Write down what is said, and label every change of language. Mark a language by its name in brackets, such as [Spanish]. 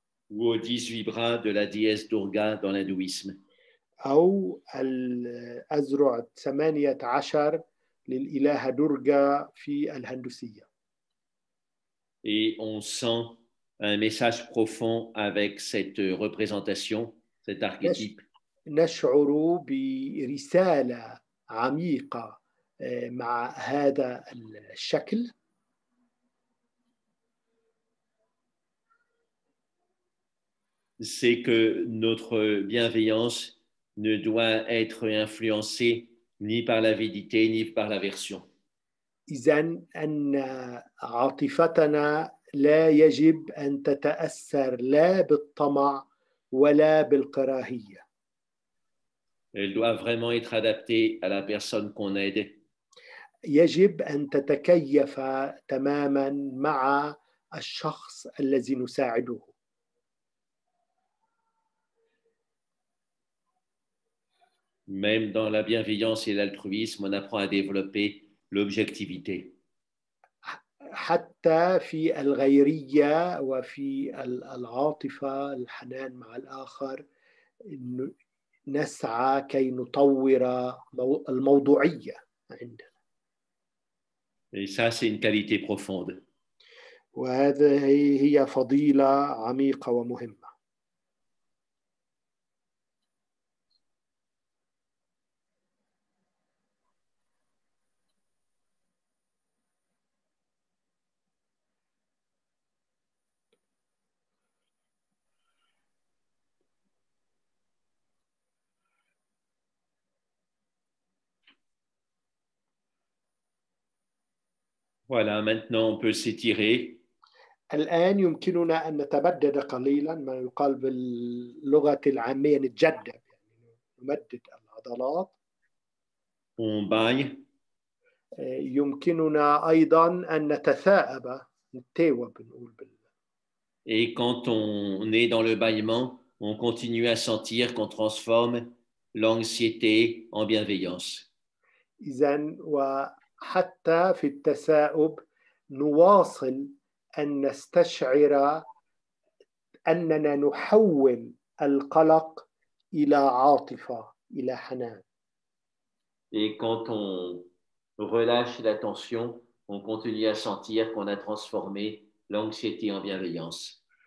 [French] Ou aux 18 bras de la déesse Durga dans l'hindouisme. [Arabic] أو الأذرع 18 للإلهة دورغا في الهندوسية. [French] Et on sent un message profond avec cette représentation, cet archétype. [Arabic] نشعر برسالة عميقة مع هذا الشكل. [French] C'est que notre bienveillance ne doit être influencée ni par l'avidité ni par l'aversion. [Arabic] إذن أن عاطفتنا لا يجب أن تتأثر لا بالطمع ولا بالكراهية. [French] Elle doit vraiment être adaptée à la personne qu'on aide. [Arabic] يجب أن تتكيف تماما مع الشخص الذي نساعده. [French] Même dans la bienveillance et l'altruisme, on apprend à développer l'objectivité. [Arabic] حتى في الغيرية وفي العاطفة الحنان مع الآخر نسعى كي نطور الموضوعية عندنا. [French] Et ça, c'est une qualité profonde. [Arabic] وهذه هي فضيلة عميقة ومهمة. [French] Voilà, maintenant on peut s'étirer. [Arabic] الآن يمكننا أن نتبدد قليلا ما يقال باللغة العامية نتجدد يعني نمدد العضلات. [French] On baigne. [Arabic] يمكننا أيضا أن نتثاءب نتيوى بنقول بال. [French] Et quand on est dans le bâillement, on continue à sentir qu'on transforme l'anxiété en bienveillance. [Arabic] إذن و حتى في التثاؤب نواصل أن نستشعر أننا نحول القلق إلى عاطفة إلى حنان. [French] Et quand on relâche la tension, on continue à sentir qu'on a transformé l'anxiété en bienveillance.